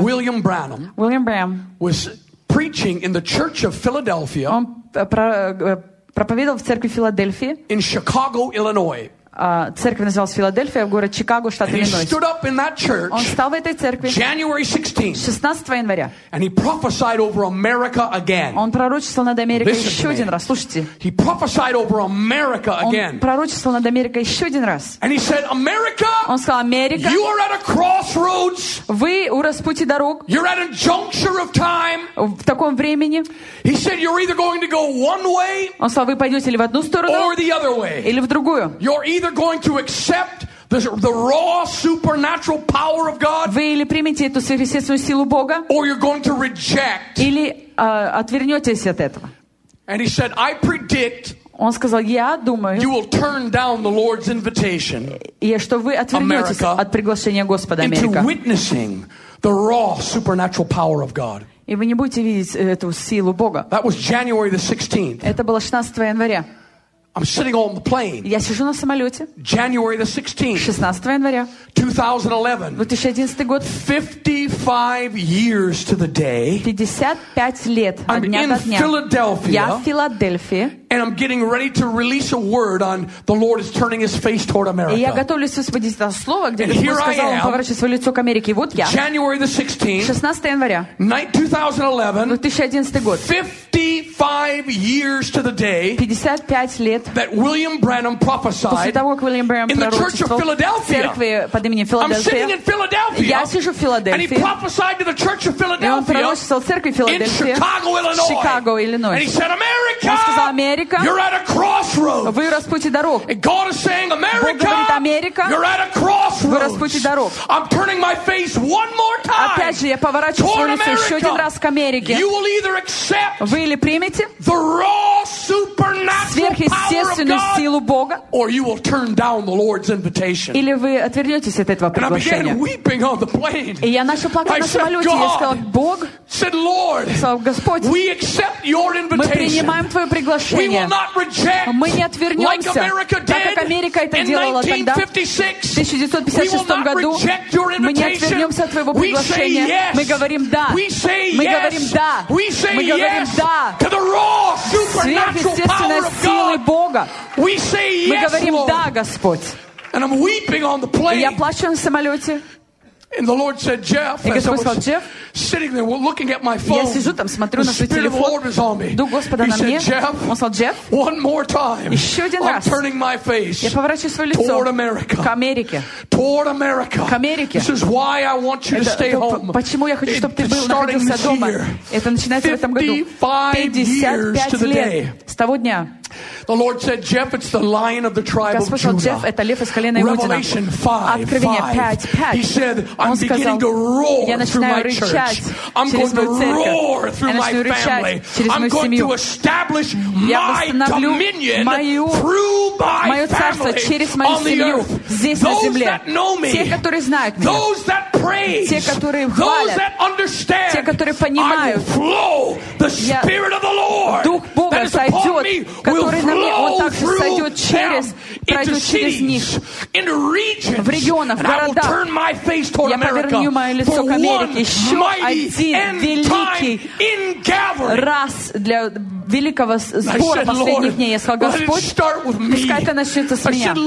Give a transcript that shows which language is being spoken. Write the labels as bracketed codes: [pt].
[en] William Branham was preaching in the Church of Philadelphia. [ru] Он проповедовал в церкви Филадельфии. [en] In Chicago, Illinois. [ru] Церковь называлась Филадельфия, город Чикаго, штат Иллинойс. Он встал в этой церкви 16 января. Он пророчествовал над Америкой еще один раз. Слушайте. [en] He prophesied over America again. [ru] Он пророчествовал над Америкой еще один раз. [en] And he said, America, [ru] он сказал, Америка, [en] you are at a crossroads. [ru] Вы у распутья дорог. [en] You're at a juncture of time. [ru] В таком времени. [en] He said, you're either going to go one way, [ru] он сказал, вы пойдете ли в одну сторону, [en] or the other way. [ru] Или в другую. [en] Either going to accept the raw supernatural power of God, [ru] вы или примете эту сверхъестественную силу Бога, [en] or you're going to reject, [ru] или отвернетесь от этого. [en] And he said, I predict, [ru] он сказал, я думаю, [en] you will turn down the Lord's invitation, [ru] и что вы отвернетесь от приглашения Господа, [en] into witnessing the raw supernatural power of God. [ru] И вы не будете видеть эту силу Бога. [en] That was January the 16th. [ru] Это было 16 января. [en] I'm sitting on the plane. [ru] Я сижу на самолете. [en] January the 16th. [ru] 16 января. [en] 2011 [ru] год. [en] 55 years to the day. [ru] 55 лет от дня до дня. [en] I'm in Philadelphia. [ru] Я в Филадельфии. [en] And I'm getting ready to release a word on the Lord is turning His face toward America. [ru] И я готовлюсь высвободить это слово, где Господь сказал, он поворачивает свое лицо к Америке. И вот я. [en] January the 16th. [ru] 16 января. [en] Night 2011. [ru] 2011 год. [en] 55 years to the day. [ru] 55 лет. [en] That William Branham prophesied. [ru] После того, как William Branham пророчествовал. [en] In the Church of Philadelphia. [ru] Церкви под именем Филадельфия. [en] I'm sitting in Philadelphia. [ru] Я сижу в Филадельфии. [en] And he prophesied to the Church of Philadelphia. [ru] И он пророчествовал церкви Филадельфии. [en] In Chicago, Illinois. [ru] Chicago, Illinois. [en] And he said, America. [ru] Он сказал, Америка. [en] You're at a crossroads. [ru] Вы распутье дорог. [en] God is saying, America. [ru] Бог говорит, Америка. [en] You're at a crossroads. [ru] Вы распутье дорог. [en] I'm turning my face one more time. [ru] Опять же, я поворачиваю лицо еще один раз к Америке. [en] You will either accept. [ru] Вы или примете. [en] The raw supernatural power of God. [ru] Сверхъестественную силу Бога. [en] Or you will turn down the Lord's invitation. [ru] Или вы отвернетесь от этого приглашения. [en] And I began weeping on the plane. [ru] И я начал плакать на самолете. Я сказал, Бог. [en] Said Lord. [ru] Сказал, Господь. [en] We accept your invitation. [ru] Мы принимаем твое приглашение. [en] We will not reject, [ru] мы не отвернемся, [en] like [ru] так как Америка это делала тогда, в 1956 году. Мы не отвернемся от твоего приглашения. [en] Yes. [ru] Мы говорим «да». [en] Yes. [ru] Мы говорим «да». [en] Yes. [ru] Мы говорим «да». Сверхъестественной силы Бога. [en] Yes, [ru] мы говорим [en] Lord. [ru] «да, Господь». [en] And I'm weeping on the plane. [ru] И я плачу на самолете. [en] And the Lord said, Jeff, [ru] и Господь сказал, Джефф, [en] sitting there looking at my phone, [ru] я сижу там, смотрю на свой телефон, [en] the Spirit of the Lord is on me. [ru] Дух Господа на мне. Он сказал, Джефф, [en] one more time, [ru] еще один раз, [en] I'm turning my face [ru] я поворачиваю свое лицо [en] toward America. [ru] К Америке. [en] Toward America. [ru] К Америке. [en] This is why I want you to stay home. [ru] Почему я хочу, чтобы ты был, находился дома. Это начинается в этом году. [en] 55 [ru] лет с того дня. [en] The Lord said, "Jeff, it's the lion of the tribe of Judah." [ru] Jeff, это лев из колена Иудина. [en] Revelation 5:5. He said, "I'm beginning to roar through my church. I'm going to roar through my family. I'm going to establish my dominion through my family on the earth." Those that know me, [ru] те, которые знают меня, [en] those that praise, [ru] те, которые хвалят, [en] those that understand, [ru] те, которые понимают, [en] I will flow the Spirit of the Lord. [ru] Дух Бога сойдет. Который на мне, он также сойдет через, пройдет через них, в регионах, в городах. Я поверну мое лицо к Америке еще один великий раз для великого сбора последних дней. Я сказал, Господь, пускай это начнется с меня.